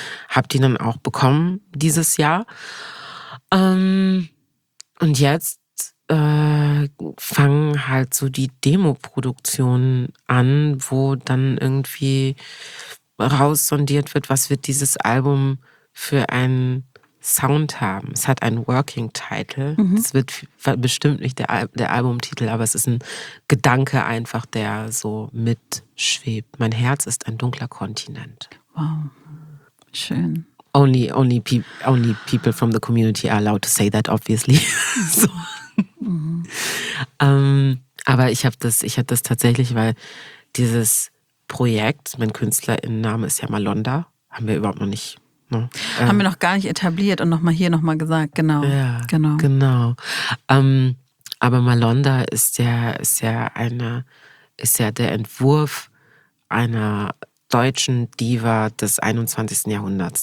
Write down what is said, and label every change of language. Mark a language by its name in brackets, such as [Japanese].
[German] Habe die dann auch bekommen dieses Jahr. Und jetzt fangen halt so die Demo-Produktionen an, wo dann irgendwie raussondiert wird, was wird dieses Album für einen Sound haben. Es hat einen Working Title. Es wird bestimmt nicht der Albumtitel, aber es ist ein Gedanke einfach, der so mitschwebt. Mein Herz ist ein dunkler Kontinent. Wow. Schön. [English] Only people from the community are allowed to say that, obviously. So. [German] Aber ich hab das tatsächlich, weil dieses Projekt, mein KünstlerInnenname ist ja Malonda, haben wir überhaupt noch nicht. Ne? Haben wir noch gar nicht etabliert und nochmal gesagt, genau. Ja, genau. Genau. Aber Malonda ist ja der Entwurf einer deutschen Diva des 21. Jahrhunderts.